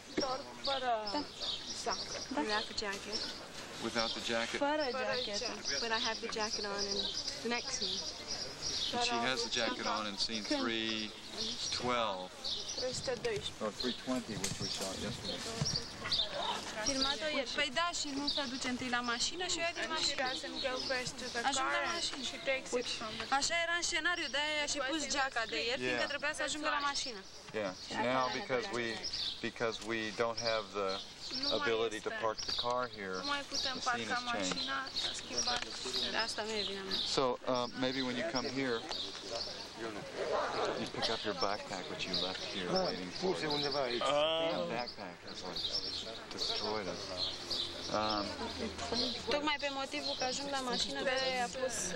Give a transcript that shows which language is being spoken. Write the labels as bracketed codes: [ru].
[ro] Fără sac. [en] Without the jacket. Without the jacket. [ro] Fără jacket. [en] But I have the jacket on in the next scene. And she has the jacket on in scene 312. Or 320, which we shot yesterday. [ro] Filmat-o ieri. Păi da, și nu se duce întâi la mașină și o ia din mașină. Ajunge la mașină. Așa era în scenariu, de-aia și pus geaca de ieri, fiindcă trebuia să ajungă la mașină. [en] Yeah. Now, because we don't have the ability to park the car here, the scene has changed. So, maybe when you come here, you pick up your backpack, which you left here waiting for. The backpack has like destroyed us. [ro] Tocmai pe motivul că ajung la mașină de aia a pus